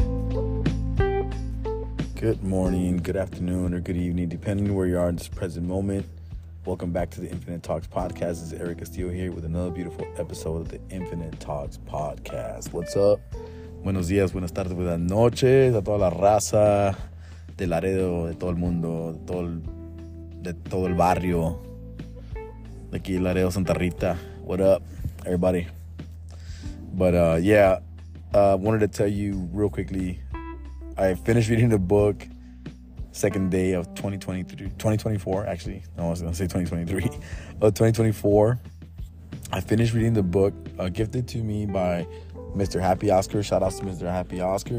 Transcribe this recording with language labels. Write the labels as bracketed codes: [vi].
[en] Good morning, good afternoon, or good evening, depending on where you are in this present moment. Welcome back to the Infinite Talks Podcast. This is Eric Castillo here with another beautiful episode of the Infinite Talks Podcast. What's up? [es] Buenos días, buenas tardes, buenas noches a toda la raza de Laredo, de todo el mundo, de todo el barrio. De aquí, [en] Laredo, Santa Rita. What up, everybody? But wanted to tell you real quickly, I finished reading the book, second day of 2024. I finished reading the book gifted to me by Mr. Happy Oscar. Shout out to Mr. Happy Oscar.